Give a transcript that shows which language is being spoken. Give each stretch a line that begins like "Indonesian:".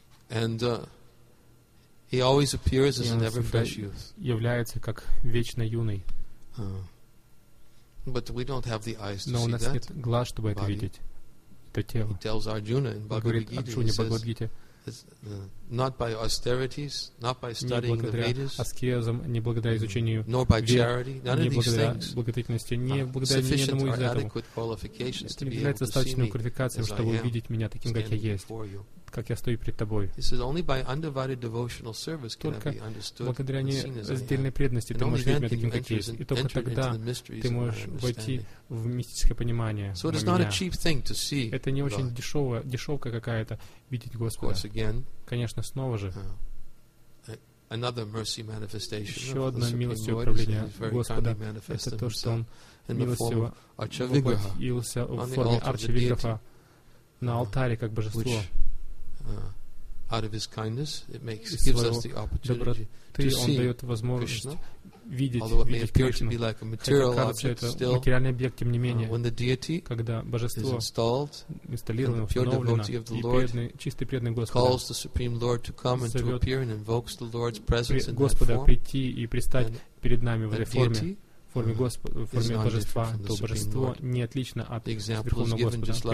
English: And he always appears as an ever fresh youth.
Russian: Является как вечно юный.
English: But we don't have the eyes to
Russian: Но у нас нет глаз, чтобы это видеть, это тело.
English: He tells Arjuna in Bhagavad Gita, not by austerities, not by studying the Vedas,
Russian: аскезом, не благодаря изучению,
English: nor by charity, none
Russian: не благодаря благотворительности, не благодаря ни одному из этого. Это не является достаточной квалификацией, чтобы увидеть меня таким, как я есть, как я стою перед тобой. Только благодаря неразделенной преданности ты можешь видеть меня таким, как есть. И только тогда ты можешь войти в мистическое понимание на меня. Это не очень дешевка какая-то видеть Господа. Конечно, снова же. Еще одна милость и управление Господа — это то, что Он милостиво воплотился в форме Арчавиграха на алтаре как божество.
English: Out of his kindness, it makes gives us the opportunity to see.
Russian: Он дает возможность видеть Кришну. Хотя кажется, это материальный объект, тем не менее, когда божество инсталлировано, установлено, и чистый преданный Господь
English: the Supreme Lord to come and to appear and invokes the Lord's presence in that form.
Russian: Господа прийти и предстать перед нами в этой форме. В форме божества, то божество не отлично от Верховного Господа.